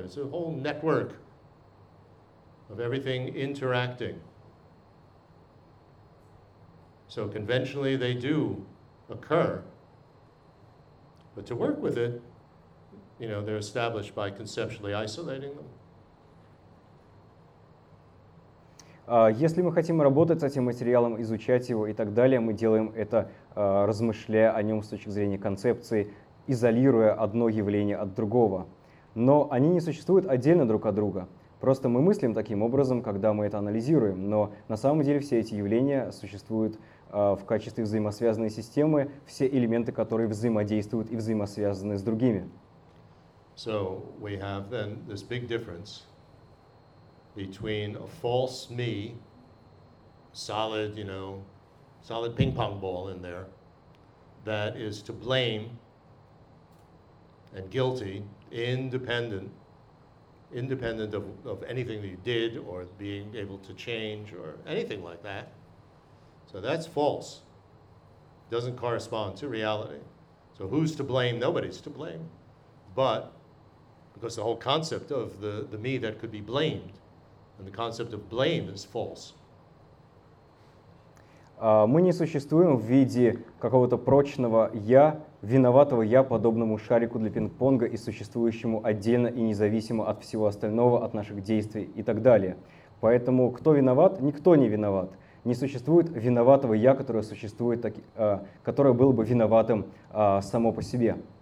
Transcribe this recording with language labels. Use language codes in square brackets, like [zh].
[en] It's a whole network of everything interacting. So conventionally they do occur. But to work with it, you know, they're established by conceptually isolating them. [ru] Если мы хотим работать с этим материалом, изучать его и так далее, мы делаем это, размышляя о нем с точки зрения концепции, изолируя одно явление от другого. Но они не существуют отдельно друг от друга. Просто мы мыслим таким образом, когда мы это анализируем. Но на самом деле все эти явления существуют в качестве взаимосвязанной системы, все элементы, которые взаимодействуют и взаимосвязаны с другими. [en] So we have then this big difference between a false me, solid, you know, solid ping-pong ball in there, that is to blame and guilty, independent of anything that you did or being able to change or anything like that. So that's false. It doesn't correspond to reality. So who's to blame? Nobody's to blame. But because the whole concept of the me that could be blamed and the concept of blame is false. [ru] Мы не существуем в виде какого-то прочного «я», виноватого «я», подобному шарику для пинг-понга и существующему отдельно и независимо от всего остального, от наших действий и так далее. Поэтому кто виноват, никто не виноват. Не существует виноватого «я», которое существует, которое было бы виноватым само по себе.